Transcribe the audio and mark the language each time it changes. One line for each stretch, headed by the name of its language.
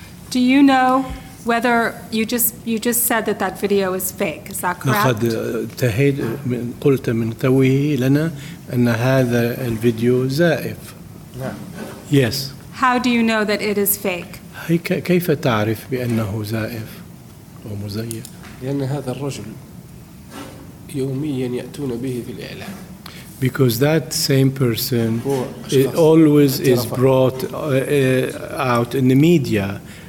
English: Do you know whether you just said that video is fake? Is that correct?
Arabic: لقد تهيد من قلت من توه لنا أن هذا الفيديو زائف. نعم.
English: Yes. How do you know that it is fake?
Arabic: كيف تعرف بأنه زائف أو مزيف؟ لأن هذا الرجل يوميا يأتون به في الإعلام.
English: Because that same person it always is brought out in the media.